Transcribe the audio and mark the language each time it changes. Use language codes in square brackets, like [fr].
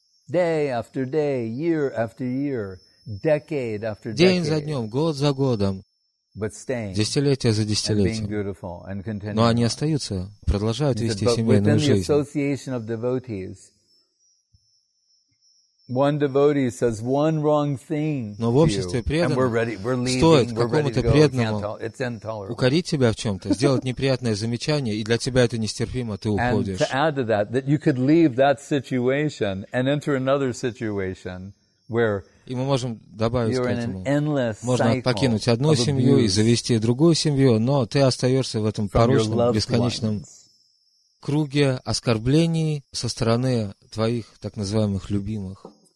[en] Day after day, year after year, decade after decade. [ru] День за днем, год за годом. Десятилетия за десятилетием. Но они остаются, продолжают вести семейную жизнь. [en] One devotee says one wrong thing to you, and [ru] стоит какому-то преданному укорить тебя в чем-то, сделать неприятное замечание, и для тебя это нестерпимо, ты уходишь. [en] And to add to that, that you could leave that situation and enter another situation where [ru] и мы можем добавить к этому. Можно покинуть одну семью и завести другую семью, но ты остаешься в этом порочном, бесконечном круге оскорблений со стороны твоих так называемых любимых.